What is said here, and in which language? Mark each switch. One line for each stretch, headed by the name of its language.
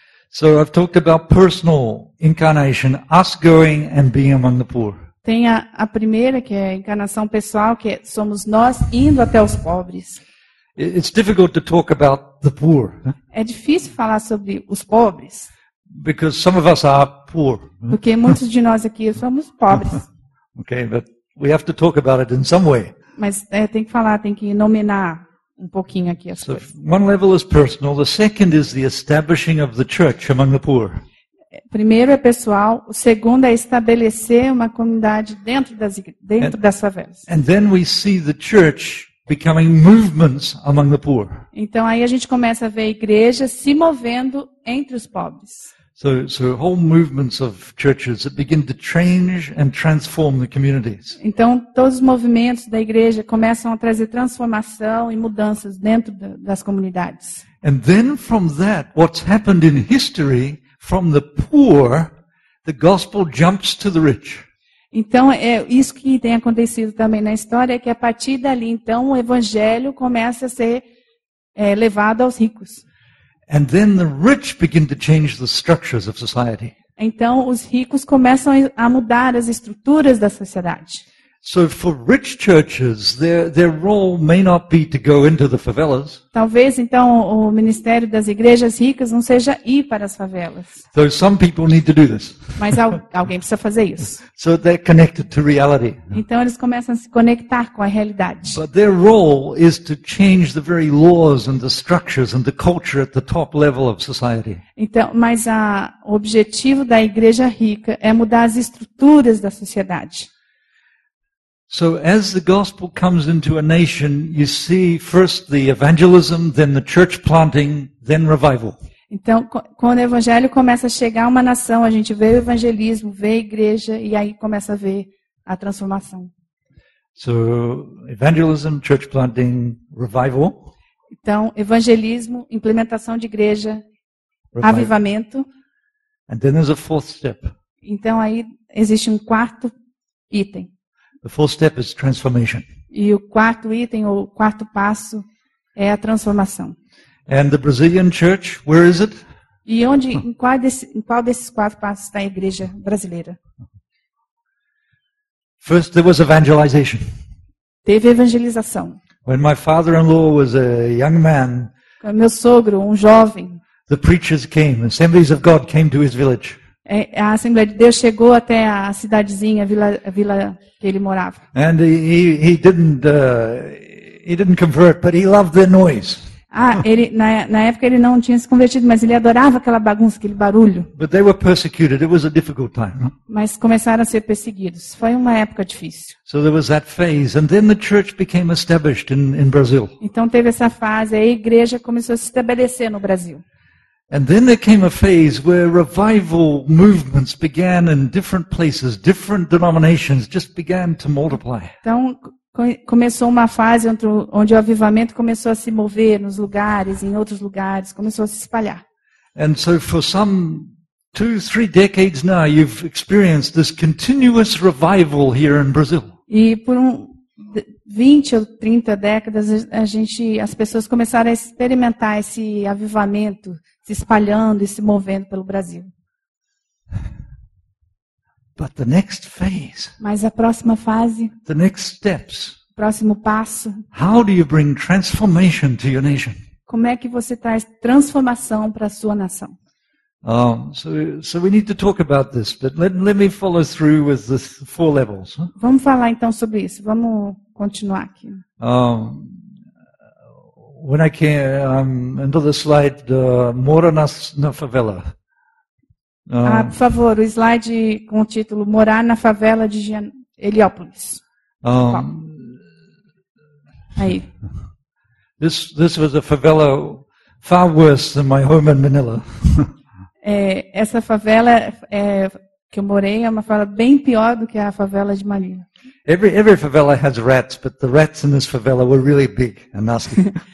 English: So I've talked about personal incarnation, us going and being among the poor.
Portuguese: Tem a primeira, que é a encarnação pessoal, que é, somos nós indo até os pobres.
English: It's difficult to talk about the poor.
Portuguese: É difícil falar sobre os pobres.
English: Because some of us are poor.
Portuguese: Porque muitos de nós aqui somos pobres.
English: Okay, but we have to talk about it in some way.
Portuguese: Mas tem que falar, tem que nomear. Um pouquinho aqui as coisas.
English: So one level is personal, the second is the establishing of the church among the poor.
Portuguese: Primeiro é pessoal, o segundo é estabelecer uma comunidade dentro das favelas.
English: And then we see the church becoming movements among the poor.
Portuguese: Então aí a gente começa a ver a igreja se movendo entre os pobres.
English: So whole movements of churches that begin to change and transform the communities.
Portuguese: Então todos os movimentos da igreja começam a trazer transformação e mudanças dentro das comunidades.
English: And then from that, what's happened in history, from the poor, the gospel jumps to the rich.
Portuguese: Então é isso que tem acontecido também na história, que a partir dali então o evangelho começa a ser levado aos ricos.
English: And then the rich begin to change the structures of society.
Portuguese: Então os ricos começam a mudar as estruturas da sociedade.
English: So for rich churches, their role may not be to go into the favelas.
Portuguese: Talvez então o ministério das igrejas ricas não seja ir para as favelas.
English: So some people need to do this.
Portuguese: Mas alguém precisa fazer isso.
English: So they're connected to reality.
Portuguese: Então eles começam a se conectar com a realidade.
English: But their role is to change the very laws and the structures and the culture at the top level of society.
Portuguese: Então, mas o objetivo da igreja rica é mudar as estruturas da sociedade.
English: So as the gospel comes into a nation, you see first the evangelism, then the church planting, then revival.
Portuguese: Então, quando o evangelho começa a chegar a uma nação, a gente vê o evangelismo, vê a igreja e aí começa a ver a transformação.
English: So evangelism, church planting, revival.
Portuguese: Então, evangelismo, implementação de igreja, revival. Avivamento.
English: And then there's a fourth step.
Portuguese: Então aí existe um quarto item.
English: The fourth step is transformation.
Portuguese: E o quarto item, o quarto passo, é a transformação.
English: And the Brazilian church, where is it?
Portuguese: E onde, em qual desses quatro passos está a igreja brasileira?
English: First, there was evangelization.
Portuguese: Teve evangelização.
English: When my father-in-law was a young man,
Portuguese: meu sogro, um jovem,
English: the preachers came, the assemblies of God came to his village.
Portuguese: A Assembleia de Deus chegou até a cidadezinha, a vila que ele morava.
English: And he didn't convert, but he loved the noise.
Portuguese: Na época ele não tinha se convertido, mas ele adorava aquela bagunça, aquele barulho.
English: But they were persecuted. It was a difficult time.
Portuguese: Mas começaram a ser perseguidos. Foi uma época difícil.
English: So there was that phase, and then the church became established in Brazil.
Portuguese: Então teve essa fase, aí a igreja começou a se estabelecer no Brasil.
English: And then there came a phase where revival movements began in different places, different denominations just began to multiply.
Portuguese: Então começou uma fase onde o avivamento começou a se mover nos lugares, em outros lugares, começou a se espalhar.
English: And so for some 2-3 decades now you've experienced this continuous revival here in Brazil.
Portuguese: E por 20 ou 30 décadas as pessoas começaram a experimentar esse avivamento se espalhando e se movendo pelo Brasil.
English: But the next phase,
Portuguese: mas a próxima fase,
English: the next steps,
Portuguese: o próximo passo,
English: how do you bring transformation to your nation?
Portuguese: Como é que você traz transformação para a sua nação?
English: So we need to talk about this, but let me follow through with the four levels. Huh?
Portuguese: Vamos falar então sobre isso. Vamos continuar aqui.
English: When I came into the slide, Mora na Favela.
Portuguese: Por favor, o slide com o título Morar na Favela de Heliópolis. Aí.
English: This was a favela far worse than my home in Manila.
Portuguese: Essa favela que eu morei é uma favela bem pior do que a favela de Manila.
English: Every favela has rats, but the rats in this favela were really big and nasty.